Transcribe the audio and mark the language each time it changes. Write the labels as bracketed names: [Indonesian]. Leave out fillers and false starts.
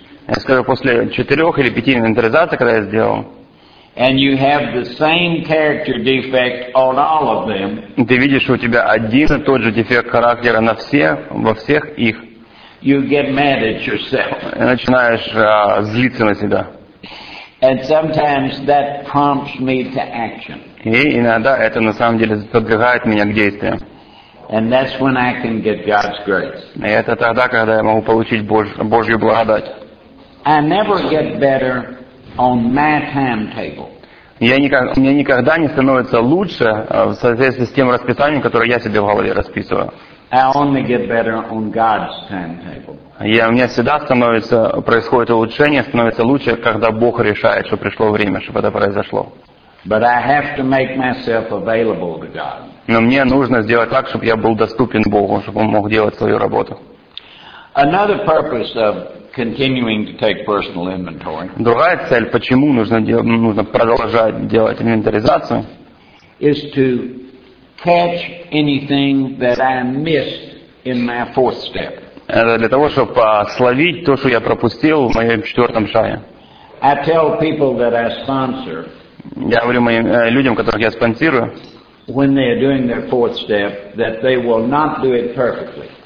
[Russian] я скажу, после 4 или 5 инвентаризаций, когда я сделал, [English] and you have the same character defect on all of them, [Russian] ты видишь, что у тебя один и тот же дефект характера на всех, во всех их, [English] you get mad at yourself. [Russian] И начинаешь злиться на себя. [English] And sometimes that prompts me to action. [Russian] И иногда это на самом деле подвигает меня к действиям. [English] And that's when I can get God's grace. [Russian] И это тогда, когда я могу получить Божью благодать. [English] I never get better on my timetable. [Russian] Мне никогда не становится лучше в соответствии с тем расписанием, которое я себе в голове расписываю. [English] I only get better on God's timetable. [Russian] У меня всегда происходит улучшение, становится лучше, когда Бог решает, что пришло время, чтобы это произошло. [English] But I have to make myself available to God. [Russian] Но мне нужно сделать так, чтобы я был доступен Богу, чтобы он мог делать свою работу. [English] Another purpose of continuing to take personal inventory. [Russian] Другая цель, почему нужно продолжать делать инвентаризацию, [English] is to catch anything that I missed in my fourth step. [Russian] Это для того, чтобы словить то, что я пропустил в моем четвертом шаге. [English] I tell people that I sponsor. [Russian] Я говорю моим людям, которых я спонсирую, [English] when they are doing their fourth step, that they will not do it perfectly.